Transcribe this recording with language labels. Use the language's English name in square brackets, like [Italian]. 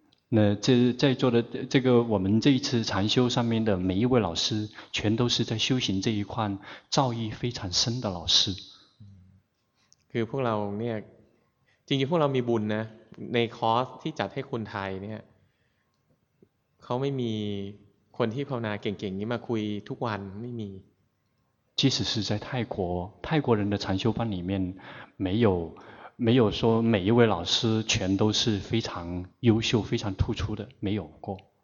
[Chinese] 那这在座的这个我们这一次禅修上面的每一位老师全都是在修行这一块造诣非常深的老师 [Thai] คือพวกเราเนี่ยจริงๆพวกเรามีบุญนะในคอร์สที่จัดให้คนไทยเนี่ยเขาไม่มีคนที่ภาวนาเก่งๆนี้มาคุยทุกวันไม่มี [Chinese] 即使是在泰国泰国人的禅修班里面没有说每一位老师全都是非常优秀非常突出的没有过